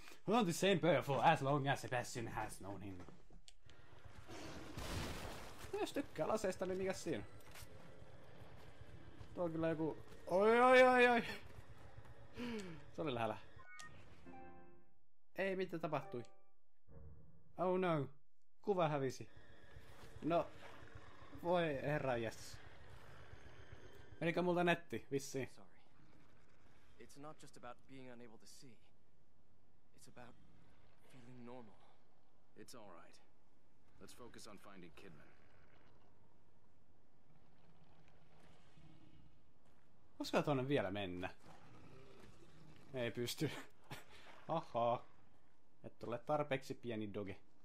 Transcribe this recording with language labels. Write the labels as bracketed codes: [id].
[en] Well, the same pair for as long as Sebastian has known him. [fi] Jos tykkää laseista, niin mikäs siinä? Tuo on kyllä joku... Oi, oi, oi, oi! Se oli lähellä. Ei, mitä tapahtui? [en] Oh no. [fi] Kuva hävisi. No, Voi herra jes. Menikö multa netti, vissi. [en] Sorry. It's not just about being unable to see. It's about feeling normal. It's all right. Let's focus on finding Kidman. [fi] Voisiko tuonne vielä mennä? Ei pysty. Aha. Et ole tarpeeksi pieni doge.